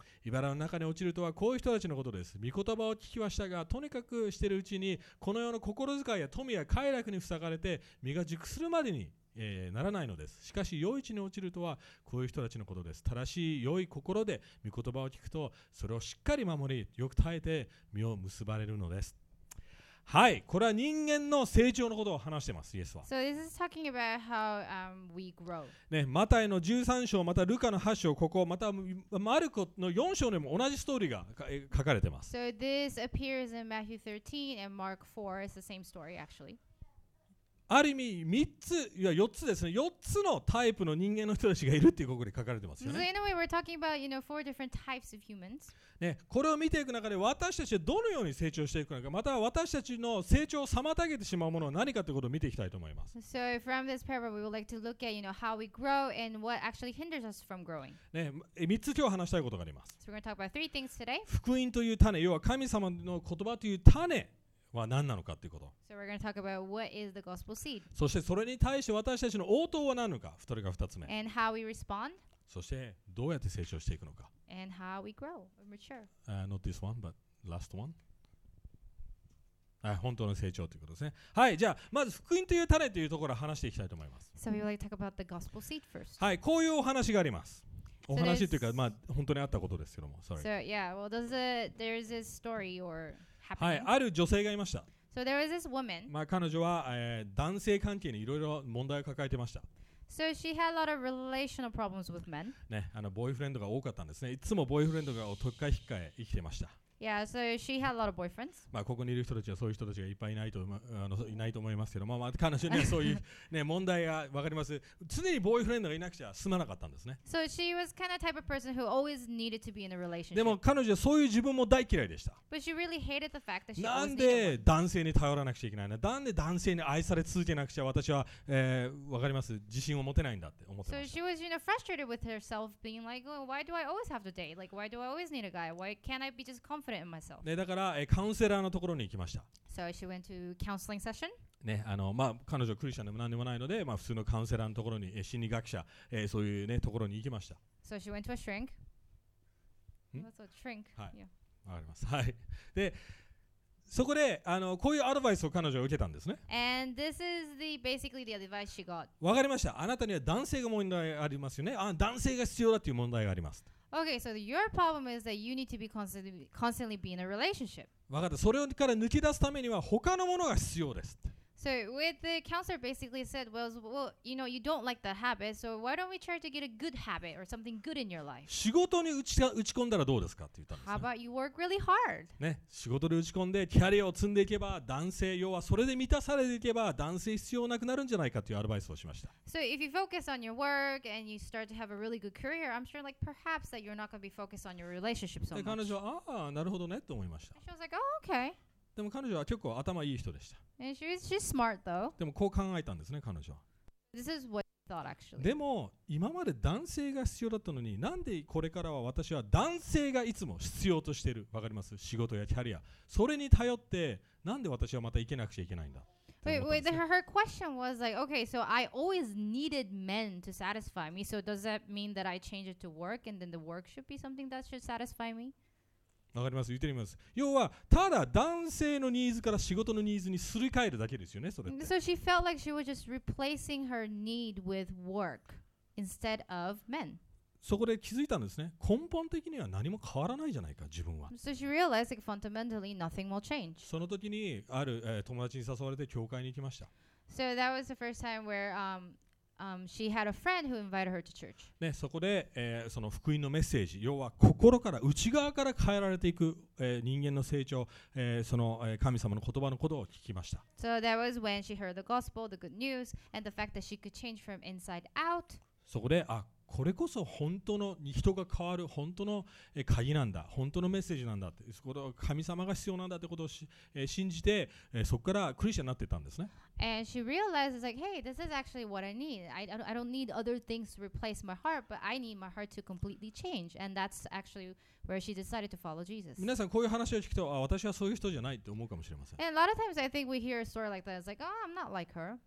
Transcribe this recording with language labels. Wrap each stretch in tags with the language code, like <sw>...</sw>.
<ja>茨の中に落ちるとはこういう人たちのことです。御言葉を聞きはしたが、とにかくしているうちにこの世の心遣いや富や快楽に塞がれて、実が熟するまでに、ならないのです。しかし良い地に落ちるとはこういう人たちのことです。正しい良い心で御言葉を聞くと、それをしっかり守り、よく耐えて実を結ばれるのです。はい、これは人間の成長のことを話してます、イエスは。</ja> <en>So this is talking about how, we grow.</en> <ja>ね、マタイの13章、またルカの8章、ここ、またマルコの4章にも同じストーリーが書かれてます。</ja> <en>So this appears in Matthew 13 and Mark 4, it's the same story actually.</en> <ja>ある意味3つ、いや4つですね、4つのタイプの人間の人たちがいるっていうここに書かれてますよね。</ja> <en>So in a way we're talking about, you know, four different types of humans.</en> <ja>ね、これを見ていく中で私たちはどのように成長していくのか、または私たちの成長を妨げてしまうものは何かということを見ていきたいと思います。</ja> <en>So from this parable we would like to look at, you know, how we grow and what actually hinders us from growing.</en> <ja>ね、3つ今日話したいことがあります。</ja> <en>So we're going to talk about three things today.</en> <ja>福音という種、要は神様の言葉という種は何なのかということ。</ja> <en>So we're going to talk about what is the gospel seed.</en> <ja>そしてそれに対して私たちの応答は何なのか。それが二つ目。</ja> <en>And how we respond.</en> <ja>そしてどうやって成長していくのか。</ja> <en>And how we grow or mature. Not this one, but last one.</en> <ja>本当の成長ということですね。はい、じゃあまず福音という種というところを話していきたいと思います。</ja> <en>So we would like to talk about the gospel seed first.</en> <ja>はい、こういうお話があります。お話というか、まあ本当にあったことですけども、</ja> <en>sorry. So yeah, well, there's this story or</en> <ja>はい、ある女性がいました。</ja> <en>So there was this woman.</en> <ja>まあ、彼女は、男性関係にいろいろ問題を抱えていました。</ja> <en>So she had a lot of relational problems with men.</en> <ja>ね、あのボーイフレンドが多かったんですね。いつもボーイフレンドがおとっかえひっかえ生きてました。</ja> <en>Yeah, so she had a lot of boyfriends.</en> <ja>まあ、ここにいる人たちはそういう人たちがいっぱいいないと、いないと思いますけど、まあまあ、彼女にはそういう、ね、問題がわかります。常にボーイフレンドがいなくちゃ済まなかったんですね。</ja> <en>So she was kind of type of person who always needed to be in a relationship.</en> <ja>でも彼女はそういう自分も大嫌いでした。</ja> <en>But she really hated the fact that she always needed one.</en> <ja>なんで男性に頼らなくちゃいけないの？なんで男性に愛され続けなくちゃ私は、わかります。自信を持てないんだって思ってました。</ja> <en>So she was, you know, frustrated with herself being like, oh, why do I always have to date? Like, why do I always need a guy? Why can't I be just confident?</en> <ja>ね、だから、カウンセラーのところに行きました。</ja> <en>So she went to counseling session.</en> <ja>ね、まあ、彼女はクリスチャンでも何でもないので、まあ、普通のカウンセラーのところに、心理学者、そういう、ね、ところに行きました。</ja> <en>So she went to a shrink. That's a shrink.</en> <ja>はい。</ja> <en>Yeah.</en> <ja>わかります。はい。で、そこで、こういうアドバイスを彼女は受けたんですね。</ja> <en>And this is the, basically the advice she got.</en> <ja>わかりました。あなたには男性が問題ありますよね。あ、男性が必要だという問題があります。</ja> <en>Okay, so your problem is that you need to be constantly be in a relationship.</en> <ja>わかった。それから抜け出すためには他のものが必要です。</ja> <en>So with the counselor basically said, well, you know, you don't like that habit, so why don't we try to get a good habit or something good in your life?</en> <ja>仕事に打ち込んだらどうですかって言ったんですね。</ja> <en>How about you work really hard?</en> <ja>ね、仕事で打ち込んでキャリアを積んでいけば男性、要はそれで満たされていけば男性必要なくなるんじゃないかというアドバイスをしました。</ja> <en>So if you focus on your work and you start to have a really good career, I'm sure like perhaps that you're not going to be focused on your relationship so much.</en> <ja>彼女は、ああ、なるほどねと思いました。</ja> <en>She was like, oh, okay.</en> <ja>でも彼女は結構頭いい人でした。</ja> <en>And she's smart though.</en> <ja>でもこう考えたんですね、彼女は。</ja> <en>This is what she thought, actually.</en> <ja>でも今まで男性が必要だったのに、なんでこれからは私は男性がいつも必要としている、わかります？仕事やキャリア、それに頼って、なんで私はまた行けなくちゃいけないんだ。</ja> <en>Wait, her question was like, okay, so I always needed men to satisfy me, so does that mean that I change it to work and then the work should be something that should satisfy me?</en> <ja>わかります。言ってみます。要はただ男性のニーズから仕事のニーズにすり替えるだけですよね。それって。</ja> <en>So she felt like she was just replacing her need with work instead of men.</en> <ja>そこで気づいたんですね。根本的には何も変わらないじゃないか自分は。</ja> <en>So she realized that fundamentally nothing will change.</en> <ja>その時にある、友達に誘われて教会に行きました。</ja> <en>So that was the first time where she had a friend who invited her to church.</en> <ja>ね、そこで、その福音のメッセージ、要は心から内側から変えられていく、人間の成長、その、神様の言葉のことを聞きました。</ja> <en>So that was when she heard the gospel, the good news, and the fact that she could change from inside out.</en> <ja>そこで、あ、これこそ本当の人が変わる本当の、鍵なんだ、本当のメッセージなんだって、そこで神様が必要なんだってことをし、信じて、そこからクリスチャンになってたんですね。</ja> <en>And she realizes like, hey, this is actually what I need. I don't need other things to replace my heart, but I need my heart to completely change. And that's actually where she decided to follow Jesus.</en> <ja>皆さんこういう話を聞くと、あ、私はそういう人じゃないって思うかもしれません。</ja> <en>And a lot of times I think we hear a story like that. It's like, oh, I'm not like her.</en>